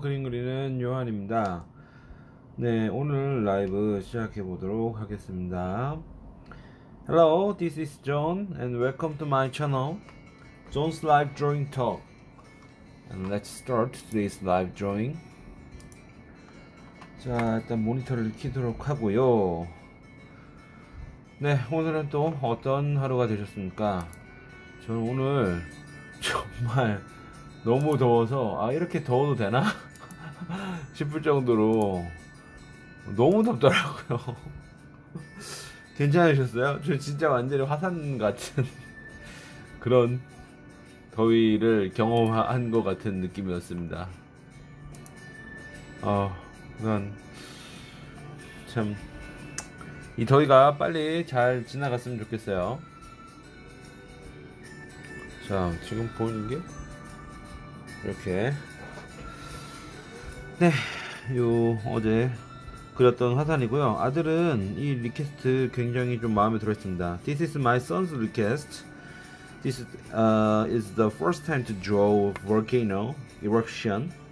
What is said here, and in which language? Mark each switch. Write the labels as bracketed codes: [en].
[ko] 그림 그리는 요한입니다. 네, 오늘 라이브 시작해 보도록 하겠습니다. [en] Hello, this is John, and welcome to my channel, John's Live Drawing Talk. And let's start this live drawing. [ko] 자, 일단 모니터를 켜도록 하고요. 네, 오늘은 또 어떤 하루가 되셨습니까? 저는 오늘 정말 너무 더워서, 아, 이렇게 더워도 되나? 싶을 정도로 너무 덥더라고요. 괜찮으셨어요? 저 진짜 완전히 화산 같은 그런 더위를 경험한 것 같은 느낌이었습니다. 우선, 참, 이 더위가 빨리 잘 지나갔으면 좋겠어요. 자, 지금 보는 게, 이렇게. 네, 요, 어제 그렸던 화산이고요. 아들은 이 리퀘스트 굉장히 좀 마음에 들어 했습니다. [en] This is my son's request. This is the first time to draw volcano eruption.